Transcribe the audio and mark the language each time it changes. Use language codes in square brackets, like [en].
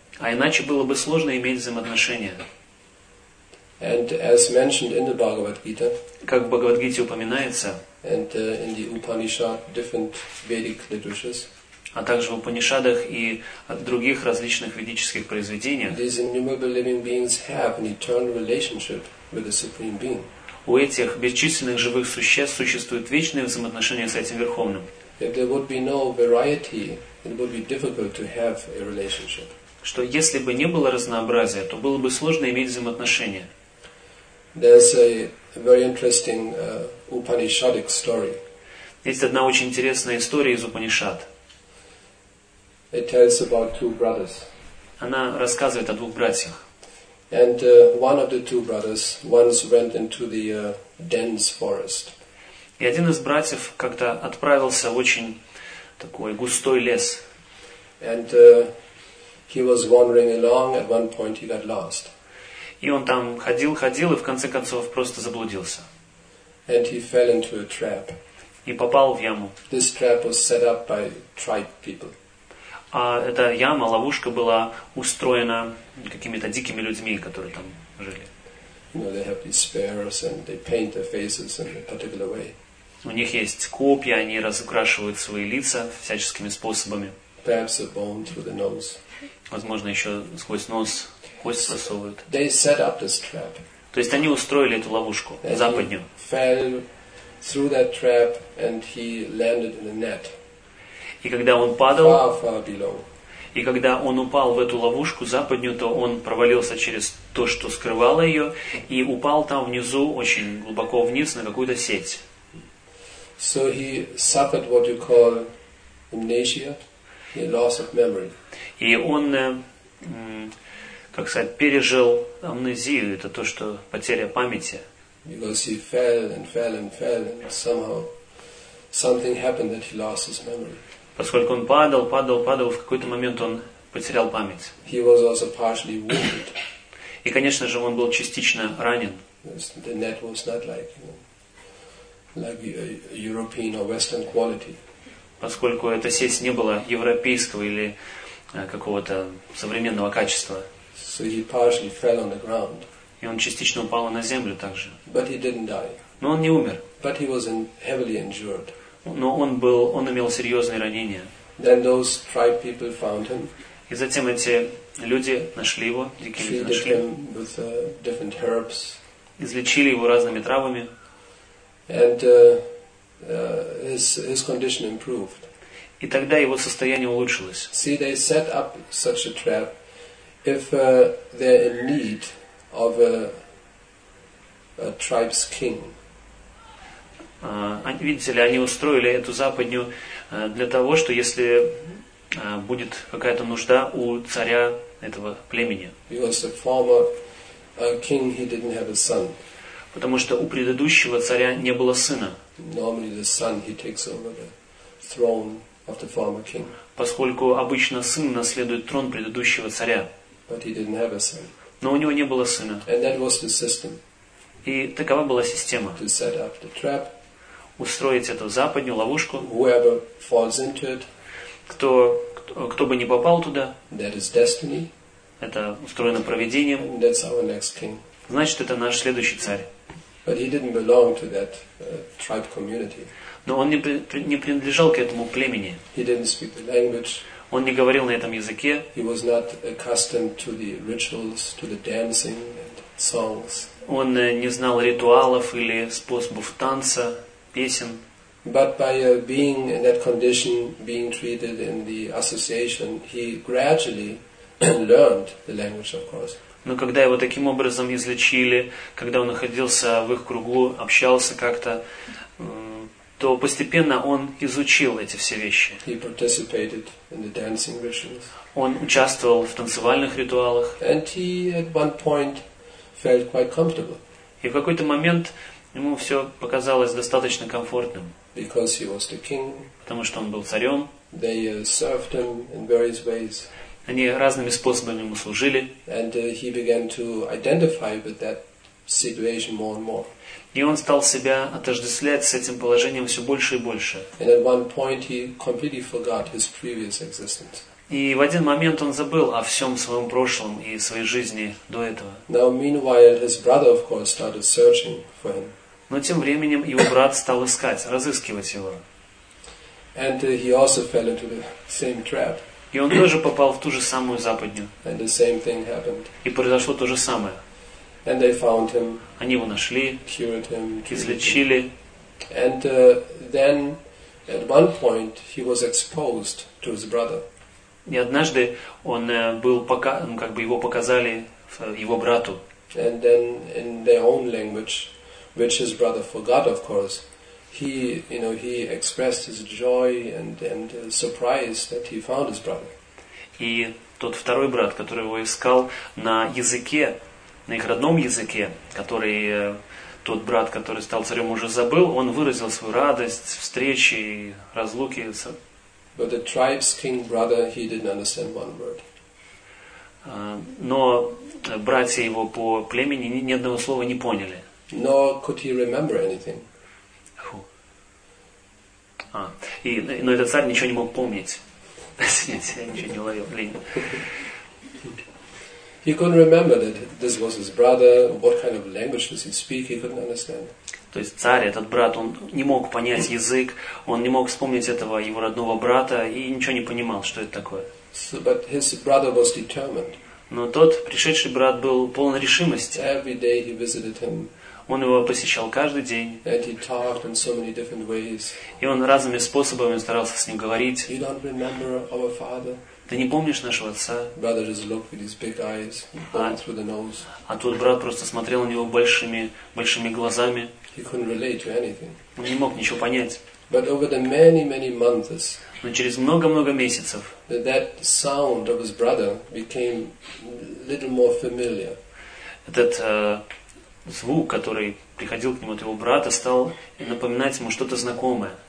[ru] А иначе было бы сложно иметь взаимоотношения. [en] And as mentioned in the Bhagavad Gita, [ru] как в Бхагавад-гите упоминается, [en] and in the Upanishad, different Vedic literatures, [ru] а также в Упанишадах и в других различных ведических произведениях. [en] These innumerable living beings have an eternal relationship with the Supreme Being. [ru] У этих бесчисленных живых существ существуют вечные взаимоотношения с этим Верховным. [en] If there would be no variety, it would be difficult to have a relationship. [ru] Что если бы не было разнообразия, то было бы сложно иметь взаимоотношения. [en] There's a very interesting Upanishadic story. [ru] Есть одна очень интересная история из Упанишад. [en] It tells about two brothers. [ru] Она рассказывает о двух братьях. [en] And one of the two brothers once went into the dense forest. [ru] И один из братьев как-то отправился в очень такой густой лес. [en] And he was wandering along. At one point he got lost. [ru] И он там ходил, и в конце концов просто заблудился. [en] And he fell into a trap. [ru] И попал в яму. [en] This trap was set up by tribe people. [ru] А эта яма, ловушка была устроена какими-то дикими людьми, которые там жили. [en] You know, they have these spears and they paint their faces in a particular way. [ru] У них есть копья, они разукрашивают свои лица всяческими способами. [en] Perhaps a bone through the nose. [ru] Возможно, еще сквозь нос кость просовывают. [en] They set up this trap. [ru] То есть они устроили эту ловушку западню. [en] Fell through that trap and he landed in a net. [ru] И когда он падал, [en] far, far below. [ru] И когда он упал в эту ловушку западню, то он провалился через то, что скрывало ее, и упал там внизу, очень глубоко вниз, на какую-то сеть. [en] So he suffered what you call amnesia, a loss of memory. [ru] И он, как сказать, пережил амнезию, это то, что потеря памяти. [en] Because he fell and fell and fell, and somehow something happened that he lost his memory. [ru] Поскольку он падал, в какой-то момент он потерял память. [en] He was also partially wounded. [ru] И, конечно же, он был частично ранен. [en] The net was not like, you know, like a European or Western quality. [ru] Поскольку эта сеть не была европейского или какого-то современного качества. [en] So he partially fell on the ground. [ru] И он частично упал на землю также. [en] But he didn't die. [ru] Но он не умер. [en] But he was heavily injured. [ru] Но он имел серьезные ранения. [en] Then those tribe people found him. [ru] И затем эти люди нашли его, дикие люди нашли. [en] Treated him with different herbs. [ru] Излечили его разными травами. [en] And his condition improved. [ru] И тогда его состояние улучшилось. [en] See, they set up such a trap if they're in need of a tribe's king. [ru] Видите ли, они устроили эту западню для того, что если будет какая-то нужда у царя этого племени. [en] Because the former king, he didn't have a son. [ru] Потому что у предыдущего царя не было сына. [en] Normally the son, he takes over the throne of the former king. [ru] Поскольку обычно сын наследует трон предыдущего царя. [en] But he didn't have a son. [ru] Но у него не было сына. [en] And that was the system. [ru] И такова была система. [en] To set up the trap. [ru] Устроить эту западню ловушку. [en] Whoever falls into it, [ru] кто бы не попал туда, [en] that is destiny, [ru] это устроено провидением, [en] and that's our next king. [ru] Значит, это наш следующий царь. [en] But he didn't belong to that, tribe community. [ru] Но он не принадлежал к этому племени. [en] He didn't speak the language. [ru] Он не говорил на этом языке. [en] He was not accustomed to the rituals, to the dancing and songs. [ru] Он не знал ритуалов или способов танца. Песен. [en] But by being in that condition, being treated in the association, he gradually learned the language, of course. [ru] Но когда его таким образом излечили, когда он находился в их кругу, общался как-то, то постепенно он изучил эти все вещи. [en] He participated in the dancing rituals. [ru] Он участвовал в танцевальных ритуалах. [en] And he at one point felt quite comfortable. [ru] И в какой-то момент ему все показалось достаточно комфортным. [en] Because he was the king. [ru] Потому что он был царем. [en] They served him in various ways. [ru] Они разными способами ему служили. [en] And he began to identify with that situation more and more. [ru] И он стал себя отождествлять с этим положением все больше и больше. [en] And at one point he completely forgot his previous existence. [ru] И в один момент он забыл о всем своем прошлом и своей жизни до этого. [en] Now, meanwhile, his brother, of course, started searching for him. [ru] Но тем временем его брат стал искать, разыскивать его. [en] And he also fell into the same trap. [ru] И он тоже попал в ту же самую западню. [en] And the same thing happened. [ru] И произошло то же самое. [en] And they found him. [ru] Они его нашли. [en] Cured him. [ru] Излечили. [en] And then, at one point, he was exposed to his brother. [ru] И однажды он был пока, ну как бы его показали его брату. [en] And then, in their own language, which his brother forgot, of course. He, you know, he expressed his joy and surprise that he found his brother. [ru] И тот второй брат, который его искал на языке, на их родном языке, который тот брат, который стал царем, уже забыл, он выразил свою радость встречи и разлуки. [en] But the tribe's king brother, he didn't understand one word. [ru] Но братья его по племени ни одного слова не поняли. [en] Nor could he remember anything. [ru] Но этот царь ничего не мог помнить. Нет, я ничего не ловил. Блин. [en] He couldn't remember that this was his brother. What kind of language does he speak? He couldn't understand. [ru] То есть царь, этот брат, он не мог понять язык, он не мог вспомнить этого его родного брата и ничего не понимал, что это такое. [en] So, but his brother was determined. [ru] Но тот пришедший брат был полон решимости. [en] Every day he visited him. [ru] Он его посещал каждый день. [en] And he talked in so many different ways. [ru] И он разными способами старался с ним говорить. [en] You don't remember our father? [ru] Ты не помнишь нашего отца? [en] Brother just looked with his big eyes, bones with the nose. [ru] А тот брат просто смотрел на него большими, большими глазами. [en] He couldn't relate to anything. [ru] Он не мог ничего понять. [en] But over the many, many months, [ru] но через много-много месяцев, [en] that sound of his brother became a little more familiar. [ru] Этот звук, который приходил к нему от его брата, стал напоминать ему что-то знакомое.